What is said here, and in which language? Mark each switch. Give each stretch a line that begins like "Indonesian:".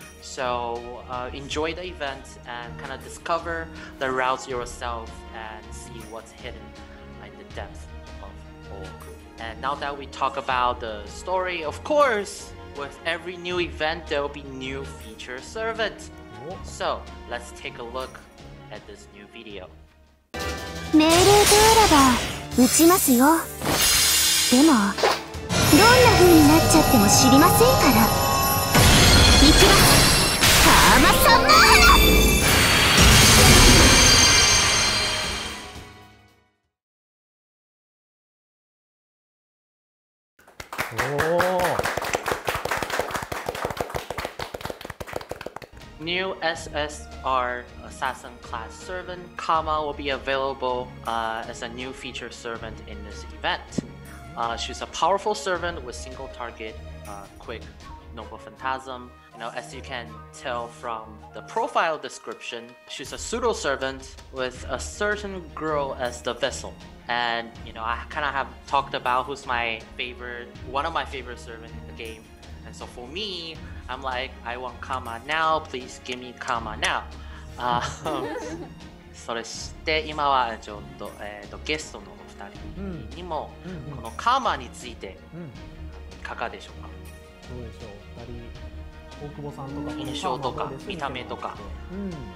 English: So enjoy the event and kind of discover the routes yourself and see what's hidden in the depth of Oak. And now that we talk about the story, of course, with every new event, there will be new feature servant. So let's take a look at this new video.
Japanese: 命令通れば撃ちますよ。でも。どんな風になっちゃっても知りませんから。いきます。カーマサマーラ。
English: おお、 New SSR Assassin Class Servant Karma will be available as a new feature servant in this eventshe's a powerful servant with single target, quick noble phantasm. You know, as you can tell from the profile description, she's a pseudo servant with a certain girl as the vessel. And you know, I kind of have talked about who's my favorite, one of my favorite servants in the game. And so for me, I'm like, I want Karma now. Please give me Karma now.
Japanese: それして今はちょっと、ゲストの2人にも、うん、このカーマについて、うん、いかがでしょうか。どうでしょう、2人、大久保さんとか印象とか見た目とか、うん、